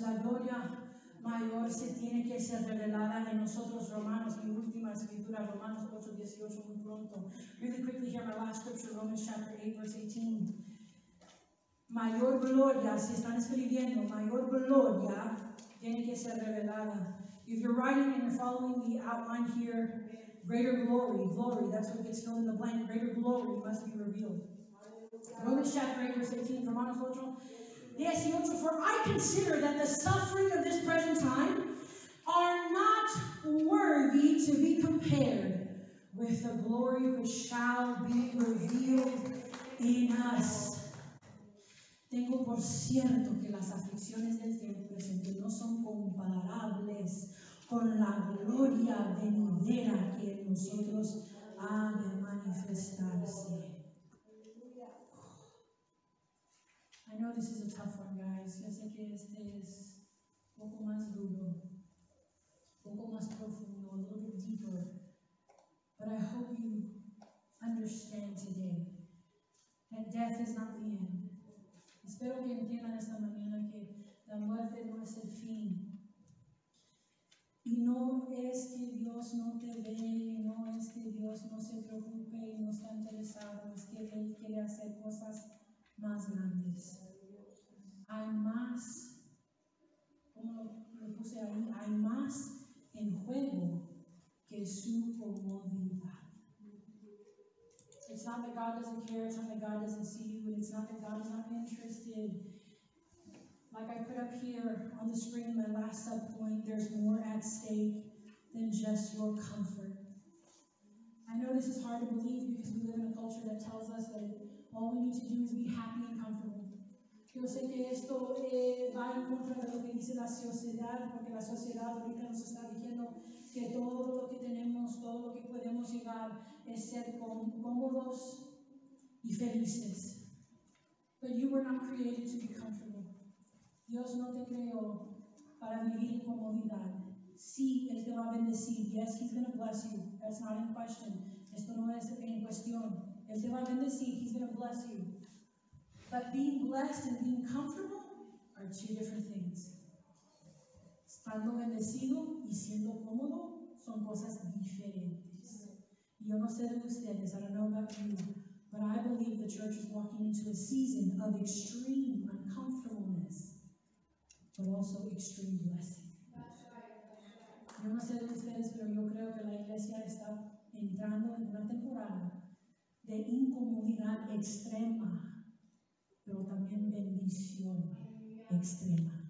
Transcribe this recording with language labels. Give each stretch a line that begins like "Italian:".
Spanish: La gloria mayor se tiene que ser revelada en nosotros, Romanos. Mi última escritura, Romanos 8:18, muy pronto.
English: Really quickly here, my last scripture, Romans chapter 8, verse 18.
Spanish: Mayor gloria, si están escribiendo, mayor gloria tiene que ser revelada.
English: If you're writing and you're following the outline here, greater glory, glory, that's what gets filled in the blank. Greater glory must be revealed. Romans chapter 8, verse 18, Romanos 8. Yes, for I consider that the suffering of this present time are not worthy to be compared with the glory which shall be revealed in us.
Spanish: Tengo por cierto que las aflicciones del tiempo presente no son comparables con la gloria venidera que en nosotros ha de manifestarse.
English: I know this is a tough one, guys.
Spanish: Yo sé que este es un poco más duro, un poco más profundo,
English: a little bit deeper. But I hope you understand today that death is not the end.
Spanish: Espero que entiendan esta mañana que la muerte no es el fin. Y no es que Dios no te ve, no es que Dios no se preocupe y no está interesado, es que Él quiere hacer cosas más grandes. Hay más, como lo puse ahí, hay más en juego que su comodidad.
English: It's not that God doesn't care, it's not that God doesn't see you, and it's not that God is not interested Like I put up here on the screen, my last sub-point, there's more at stake than just your comfort. I know this is hard to believe because we live in a culture that tells us that all we need to do is be happy and comfortable.
Spanish: Yo sé que esto va en contra de lo que dice la sociedad, porque la sociedad ahorita nos está diciendo que todo lo que tenemos, todo lo que podemos llegar es ser cómodos y felices.
English: But you were not created to be comfortable.
Spanish: Dios no te creó para vivir en comodidad. Sí, Él te va a bendecir.
English: Yes, He's going to bless you. That's not in question.
Spanish: Esto no es en cuestión. Él te va a bendecir.
English: He's going to bless you. But being blessed and being comfortable are two different things.
Spanish: Estando bendecido y siendo cómodo son cosas diferentes. Yo no sé de ustedes,
English: I don't know about you, but I believe the church is walking into a season of extreme uncomfortableness, but also extreme blessing.
Spanish: Yo no sé de ustedes, pero yo creo que la iglesia está entrando en una temporada de incomodidad extrema, pero también bendición extrema.